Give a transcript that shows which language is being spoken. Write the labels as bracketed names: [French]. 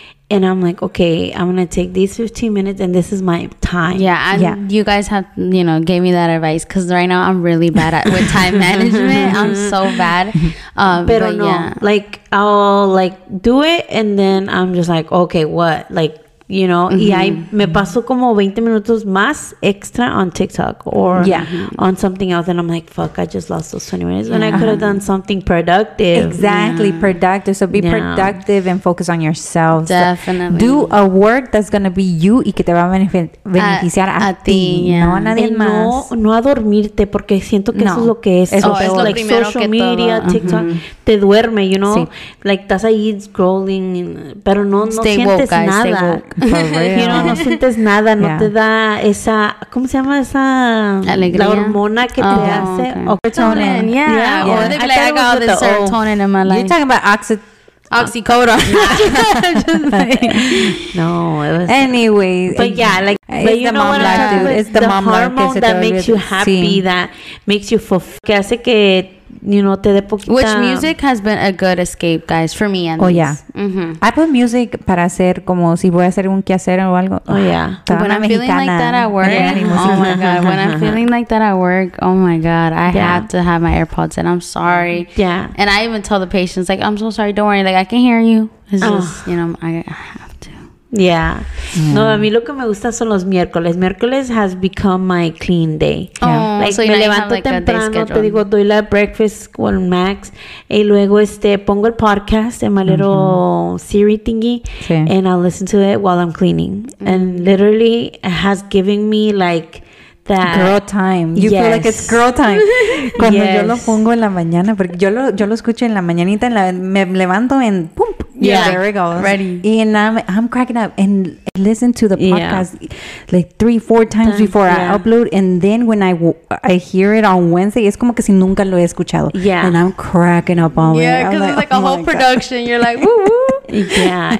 [English] And I'm like, okay, I'm going to take these 15 minutes and this is my time. Yeah. And yeah. You guys have, you know, gave me that advice because right now I'm really bad at with time management. I'm so bad. But no. Like, I'll like do it and then I'm just like, okay, what? Like, you know, mm-hmm. [Spanish] y I me paso como 20 minutos más extra [English] on TikTok or yeah. on something else. And I'm like, fuck, I just lost those 20 minutes when I could have done something productive. Exactly. Yeah. Productive. So be productive and focus on yourself. Definitely. So do a work that's going to be you [Spanish] y que te va a beneficiar a ti. [English] Yeah. [Spanish] No a nadie más. No a dormirte porque siento que eso es lo que es. Eso es lo like primero [English] social media, [Spanish] todo. TikTok. Mm-hmm. Te duerme, [English] you know? [Spanish] Sí. Like, estás ahí scrolling, pero no [English] stay [Spanish] sientes [English] woke, guys, [Spanish] nada. [English] Stay woke. You know, [Spanish] no sientes nada, no yeah. te da esa, ¿cómo se llama esa? Alegría. La hormona que te hace. Okay. [English] Serotonin. Serotonin in my life. You're talking about oxycodone. No, it was. Anyway. But yeah, like, it's but you know what I'm talking about? It's the mom hormone that makes you happy, sí. that makes you fulfilled. [Spanish] Que hace que. [English] You know, [Spanish] te de poquita. [English] Which music has been a good escape, guys, for me. At oh, yeah. [Spanish] Mm-hmm. [English] I put music [Spanish] para hacer como si voy a hacer un quehacer o algo. [English] Oh, yeah. When I'm feeling like that at work. Oh, my God. When I'm feeling like that at work, oh, my God. I have to have my AirPods in. I'm sorry. Yeah. And I even tell the patients, like, I'm so sorry. Don't worry. Like, I can hear you. It's just, you know, I have to. Yeah. [Spanish] No, a mí lo que me gusta son los miércoles. Miércoles [English] has become my clean day. Oh, like, so [Spanish] me levanto [English] like [Spanish] temprano, te digo, doy la breakfast con Max. Y luego pongo el podcast en [English] my little Siri thingy. [Spanish] Sí. [English] And I'll listen to it while I'm cleaning. Mm-hmm. And literally it has given me like that. Girl time. You yes. feel like it's girl time. [Spanish] Cuando [English] yes. [Spanish] yo lo pongo en la mañana, porque yo lo escucho en la mañanita, me levanto en pum. [English] Yeah, there we go. Ready. And I'm cracking up and listen to the podcast like 3-4 times before I upload. And then when I hear it on Wednesday, it's [Spanish] como que si nunca lo he escuchado. [English] Yeah. And I'm cracking up all the way. Yeah, because like, it's like a whole production. God. You're like, woo woo. Yeah.